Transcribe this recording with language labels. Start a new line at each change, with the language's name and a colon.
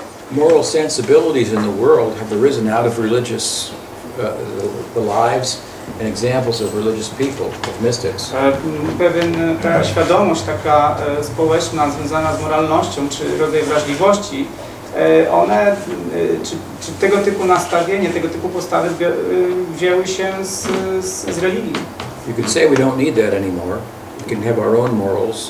English: Moral sensibilities in the world have arisen out of religious the lives and examples of religious people, of mystics.
Polish: Pewien ta świadomość taka społeczna związana z moralnością czy rodzaj wrażliwości, one, czy tego typu nastawienie, tego typu postawy wzięły się z religii.
English: You could say we don't need that anymore. We can have our own morals.